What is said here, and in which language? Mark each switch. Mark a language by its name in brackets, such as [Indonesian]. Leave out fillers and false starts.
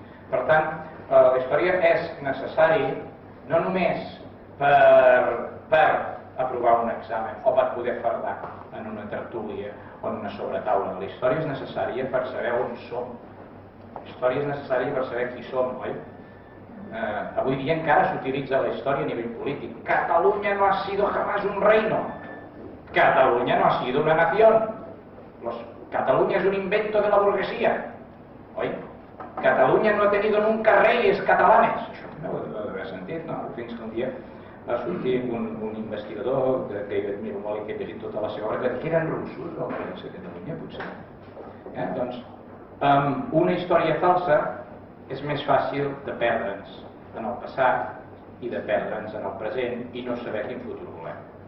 [Catalan] Per tant, la història és necessari no només per aprovar un examen o per poder fardar en una tertúlia o en una sobretaula. La història és necessària per saber on som. La història és necessària per saber qui som, oi? Avui dia encara s'utilitza la història a nivell polític. [Spanish] Catalunya no ha sido jamás un reino. Catalunya no ha sido una nación. Catalunya és un invento de la burguesía. Oi? Catalunya no ha tenido nunca reyes catalanes. [Catalan] Això no ho heu sentit, no? Fins que un dia va sortir un investigador que jo admiro molt i que he llegit tota la seva obra, que eren russos, no? Que era Catalunya, potser. Doncs, una història falsa és més fàcil de perdre'ns en el passat i de perdre'ns en el present i no saber quin futur volem.